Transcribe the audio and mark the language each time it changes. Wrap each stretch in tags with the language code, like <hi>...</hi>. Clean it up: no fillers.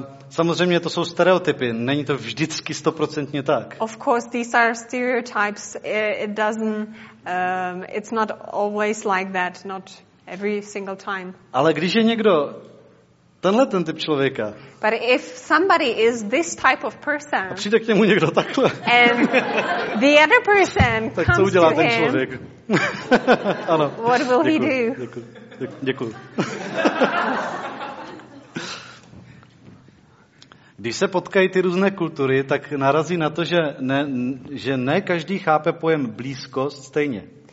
<cs>Samozřejmě to jsou stereotypy, není to vždycky 100% tak.</cs> <en>Of course these are stereotypes. It doesn't it's not always like that, not every single time.</en> <cs>Ale když je někdo tenhle ten typ člověka.</cs> <en>But if somebody is this type of person.</en> <cs>A přijde k němu někdo takhle.</cs> <en>And the other person.</en> <cs>Tak co udělá ten člověk? Ano.</cs> <en>What will</en> <cs>děkuju,</cs> <en>he do?</en> <cs>Děkuju. Když se potkají ty různé kultury, tak narazí na to, že ne každý chápe pojem blízkost stejně.</cs>